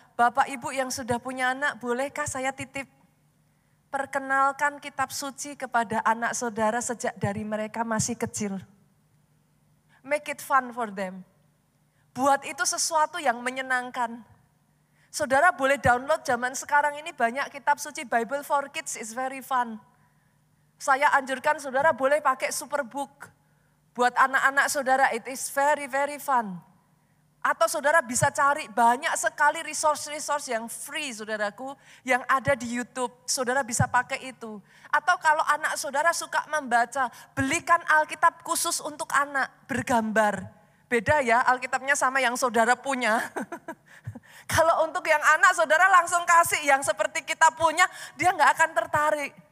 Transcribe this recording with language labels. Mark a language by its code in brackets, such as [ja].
[id] Bapak ibu yang sudah punya anak, bolehkah saya titip? Perkenalkan kitab suci kepada anak saudara sejak dari mereka masih kecil. [en] Make it fun for them. [id] Buat itu sesuatu yang menyenangkan. Saudara boleh download zaman sekarang ini banyak kitab suci, Bible for Kids is very fun. Saya anjurkan saudara boleh pakai superbook. [en] Buat anak-anak saudara, it is very, very fun. [id] Atau saudara bisa cari banyak sekali resource-resource yang free, saudaraku, yang ada di YouTube. Saudara bisa pakai itu. Atau kalau anak saudara suka membaca, belikan Alkitab khusus untuk anak bergambar. Beda ya, Alkitabnya sama yang saudara punya. Kalau untuk yang anak, saudara langsung kasih yang seperti kita punya, dia gak akan tertarik.